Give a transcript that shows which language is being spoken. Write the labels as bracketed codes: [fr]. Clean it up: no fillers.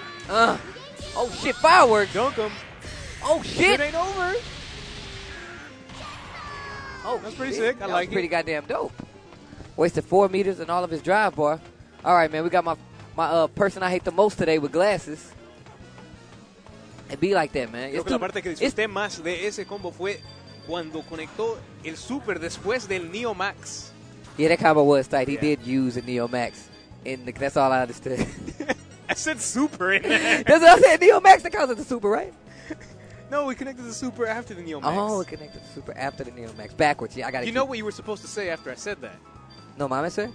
[en] Oh, shit. Fireworks. Dunk him. Oh, shit. It ain't over. Oh, that's pretty sick. That I like it. Pretty goddamn dope. Wasted 4 meters and all of his drive bar. All right, man. We got my person I hate the most today with glasses. It be like that, man. [es] Creo que la parte que disfruté más de ese combo fue cuando conectó el super después del Neo Max. [en] Yeah, that combo was tight. He did use a Neo Max, and that's all I understood. I said super. That's what I said. Neo Max, that counts as the super, right? No, we connected the super after the Neo Max. Oh, we connected the super after the Neo Max. Backwards. Yeah, I got it. You know what you were supposed to say after I said that? [es] No mames, [en] sir.